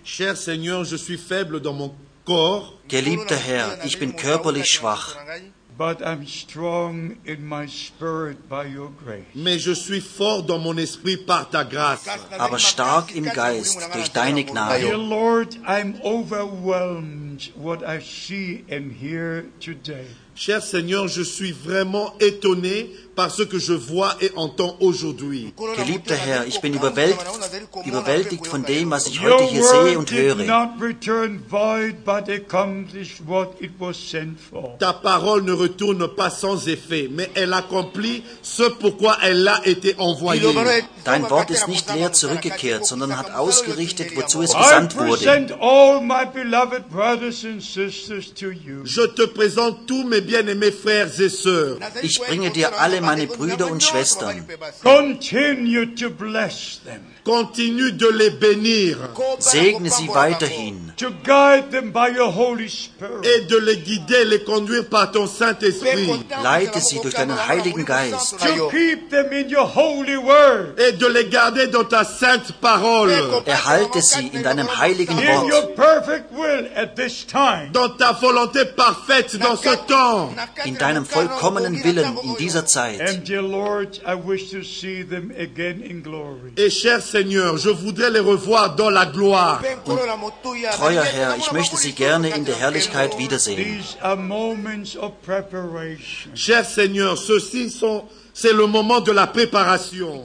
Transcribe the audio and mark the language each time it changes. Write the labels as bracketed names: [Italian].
[French] Cher Seigneur, je suis faible dans mon corps. [German] Geliebter Herr, ich bin körperlich schwach. [English] But I'm strong in my spirit by your grace. [French] Mais je suis fort dans mon esprit par ta grâce. [German] Aber stark im Geist durch deine Gnade. [English] Dear Lord, I'm overwhelmed what I see and hear today. [French] Cher Seigneur, je suis vraiment étonné par ce que je vois et entends aujourd'hui. [German] Geliebter Herr, ich bin überwältigt von dem, was ich heute hier sehe und höre. [English] Your word did not return void, but accomplished what it was sent for. [French] Ta parole ne retourne pas sans effet, mais elle accomplit ce pourquoi elle a été envoyée. [German] Dein Wort ist nicht leer zurückgekehrt, sondern hat ausgerichtet, wozu es gesandt wurde. [English] I present all my beloved brothers and sisters to you. [French] Je te présente tous mes bien-aimés frères et sœurs. [German] Ich bringe dir alle meine Brüder und Schwestern. [English] Continue to bless them. [French] Continue de les bénir. [German] Segne sie weiterhin. [English] To guide them by your Holy Spirit. [French] Et de les guider, les conduire par ton Saint-Esprit. [German] Leite sie durch deinen Heiligen Geist. [English] To keep them in your holy word. [French] Et de les garder dans ta sainte parole. [German] Erhalte sie in deinem Heiligen Wort. [English] In your perfect will at this time. [French] Dans ta volonté parfaite dans ce temps. [German] In deinem vollkommenen Willen in dieser Zeit. [English] And dear Lord, I wish to see them again in glory. [French] Seigneur, je voudrais les revoir dans la gloire. [German] Und, treuer Herr, ich möchte sie gerne in der Herrlichkeit wiedersehen. [English] These are moments of preparation. [French] Cher Seigneur, ceux-ci sont c'est le moment de la préparation.